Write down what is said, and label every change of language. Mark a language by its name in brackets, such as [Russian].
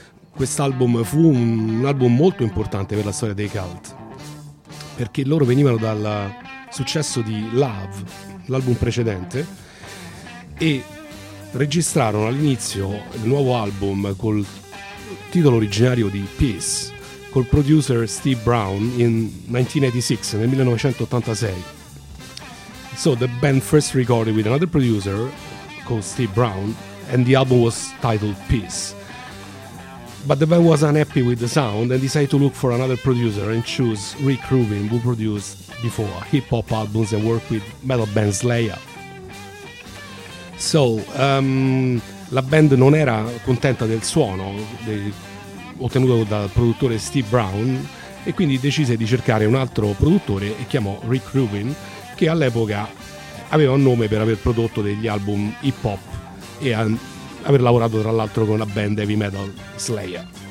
[Italian] Quest'album fu un album molto importante per la storia dei Cult, perché loro venivano dal successo di Love, l'album precedente, e registrarono all'inizio il nuovo album col titolo originario di Peace col producer Steve Brown in 1986, nel 1986. [English] So the band first recorded with another producer called Steve Brown, and the album was titled Peace. But the band was unhappy with the sound and decided to look for another producer and choose Rick Rubin, who produced before hip-hop albums and worked with metal band Slayer. [Italian] So, la band non era contenta del suono, ottenuto dal produttore Steve Brown, e quindi decise di cercare un altro produttore e chiamò Rick Rubin, che all'epoca aveva un nome per aver prodotto degli album hip hop e aver lavorato tra l'altro con la band heavy metal Slayer.